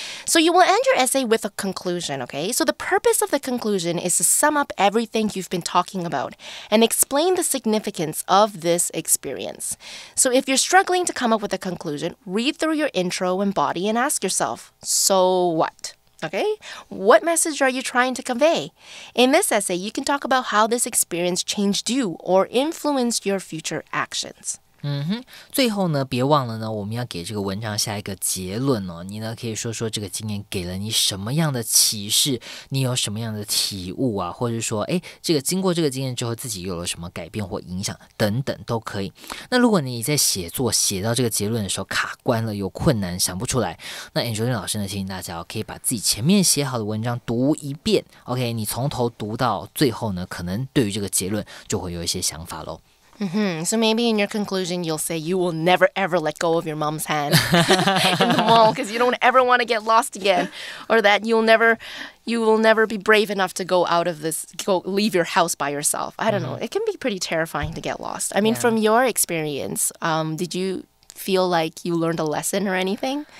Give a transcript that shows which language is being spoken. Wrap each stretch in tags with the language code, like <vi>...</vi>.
<en>So you will end your essay with a conclusion, okay? So the purpose of the conclusion is to sum up everything you've been talking about and explain the significance of this experience. So if you're struggling to come up with a conclusion, read through your intro and body and ask yourself, so what? Okay, what message are you trying to convey? In this essay, you can talk about how this experience changed you or influenced your future actions.</en> <zh>嗯哼，最后呢，别忘了呢，我们要给这个文章下一个结论哦。你呢，可以说说这个经验给了你什么样的启示，你有什么样的体悟啊，或者说，哎，这个经过这个经验之后，自己有了什么改变或影响等等都可以。那如果你在写作写到这个结论的时候卡关了，有困难想不出来，那 Angelina 老师呢，提醒大家哦，可以把自己前面写好的文章读一遍 ，OK， 你从头读到最后呢，可能对于这个结论就会有一些想法喽。 Mm-hmm.</zh> <en>So maybe in your conclusion, you'll say you will never, ever let go of your mom's hand in the mall because you don't ever want to get lost again, or that you will never be brave enough to go out of this, go leave your house by yourself. I don't know. It can be pretty terrifying to get lost. I mean, from your experience, did you feel like you learned a lesson or anything?</en>